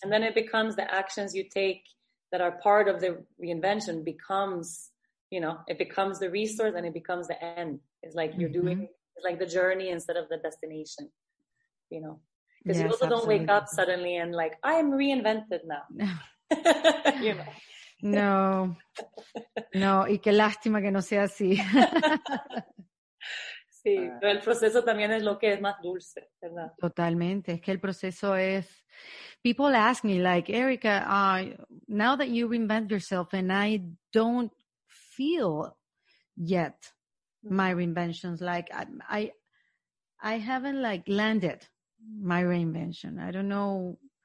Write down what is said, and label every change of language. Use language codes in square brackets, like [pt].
[en] And then it becomes the actions you take that are part of the reinvention becomes, you know, it becomes the resource and it becomes the end. It's like you're doing, it's like the journey instead of the destination, you know. Because you also don't wake up suddenly and like, I am reinvented now. You know. [es] No, y qué lástima que no sea así. Sí, pero el proceso también es lo que es más dulce, ¿verdad? Totalmente, es que el proceso es... [en] People ask me like, Erica, now that you reinvent yourself and I don't feel yet my reinventions, like I haven't like landed my reinvention. I don't know.